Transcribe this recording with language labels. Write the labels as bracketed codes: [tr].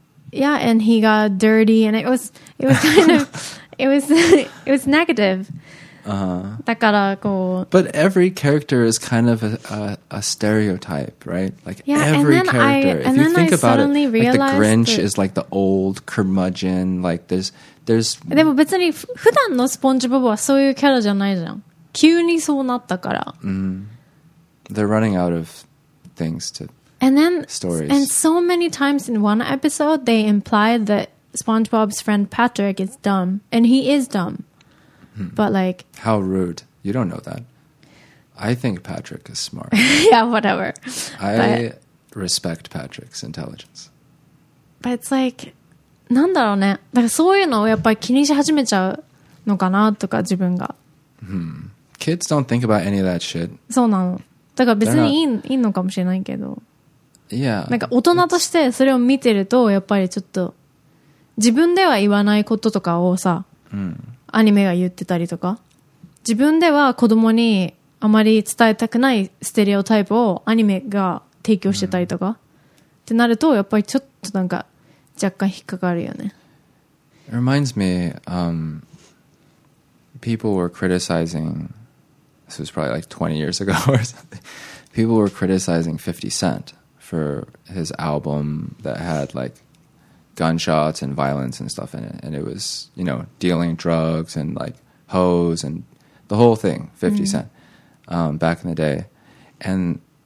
[en] Yeah, and he got dirty and it was kind of it was negative. But every character is kind of a stereotype, right? Like yeah, every character. I, if you think I about it, like the Grinch is like the old curmudgeon. Like there's. [ja] でも別に普段のスポンジボブはそういうキャラじゃないじゃん。急にそうなったから。 [en] They're running out of things to. And then stories. And so many times in one episode, they imply that SpongeBob's friend Patrick is dumb, and he is dumb. But like, how rude! You don't know that. I think Patrick is smart. Yeah, whatever. I respect Patrick's intelligence. But it's like, [ja] なんだろうね。だからそういうのをやっぱり気にし始めちゃうのかなとか自分が。 [en] Kids don't think about any of that shit. [ja] そうなの。だから別にいいのかもしれないけど。 [en] Yeah. [ja] なんか大人としてそれを見てるとやっぱりちょっと自分では言わないこととかをさ。アニメが言ってたりとか自分では子供にあまり伝えたくないステレオタイプをアニメが提供してたりとか、ってなるとやっぱりちょっとなんか若干引っかかるよね。 [en] It reminds me people were criticizing, this was probably like 20 years ago or something, people were criticizing 50 Cent for his album that had like gunshots and violence and stuff in it, and it was, you know, dealing drugs and like hoes and the whole thing, 50 Cent back in the day, and